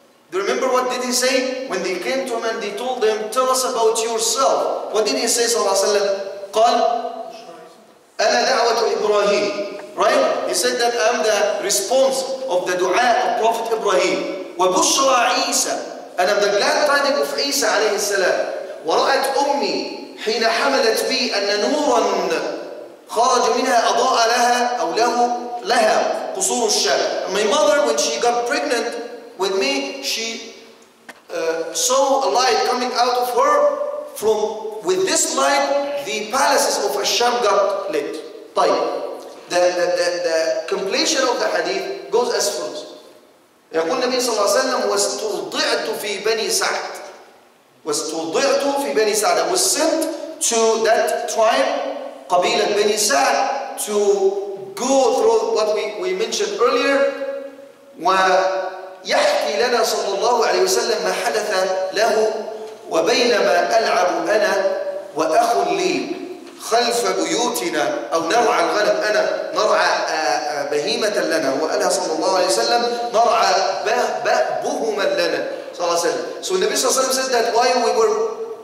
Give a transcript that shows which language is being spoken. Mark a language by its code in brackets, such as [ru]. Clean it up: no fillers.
[en] Do you remember what did he say? When they came to him and they told him, tell us about yourself. What did he say sallallahu alayhi wa sallam? [ar] قال أنا دعوة إبراهيم. [en] Right? He said that I'm the response of the dua of Prophet Ibrahim. [ar] وبشرى عيسى. [en] And I'm the glad tidings of Isa عليه السلام. [ar] ورأت أمي حين حملت بي أن نورا خرج منها أضاء لها أو له لها قصور الشعر. [en] My mother, when she got pregnant with me, she saw a light coming out of her. From with this light, the palaces of Asham got lit. [ar] طيب. [en] The completion of the hadith goes as follows. [ar] يقول النبي صلى الله عليه وسلم واستوضعت في بني سعد. واستوضعت في بني سعد. [en] I was sent to that tribe, قبيلة بني سعد, to go through what we mentioned earlier. [ar] ويحكي لنا صلى الله عليه وسلم ما حدث له وبينما ألعب أنا وأخ لي خلف بيوتنا أو نرعى الغنم أنا نرعى بهيمة لنا وأنا صلى الله عليه وسلم نرعى بهما لنا صلى الله عليه وسلم. [en] So النبي صلى الله عليه وسلم said that while we were